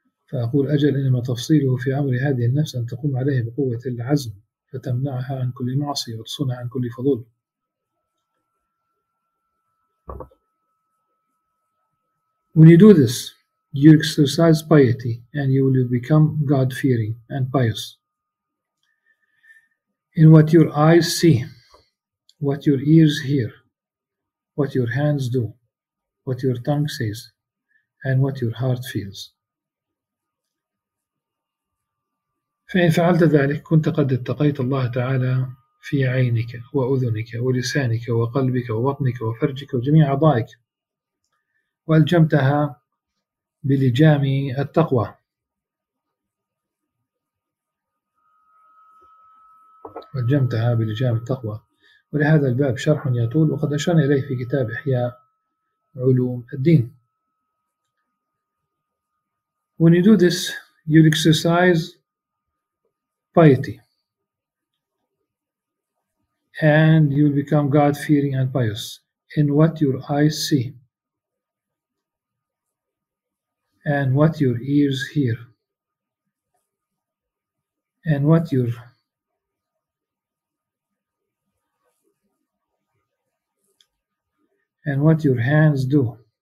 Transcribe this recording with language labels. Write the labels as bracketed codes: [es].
[ar] فأقول أجل إنما تفصيله في أمر هذه النفس أن تقوم عليه بقوة العزم فتمنعها عن كل معصية وتصونها عن كل فضول. [en] When you do this, you exercise piety and you will become God-fearing and pious. In what your eyes see, what your ears hear, what your hands do, what your tongue says, and what your heart feels. [ar] فإن فعلت ذلك كنت قد اتقيت الله تعالى في عينك وأذنك ولسانك وقلبك وبطنك وفرجك وجميع أعضائك وألجمتها بلجام التقوى. ألجمتها بلجام التقوى. ولهذا الباب شرح يطول وقد أشرنا إليه في كتاب إحياء علوم الدين. [en] When you do this, you exercise piety and you become God-fearing and pious in what your eyes see and what your ears hear and what your hands do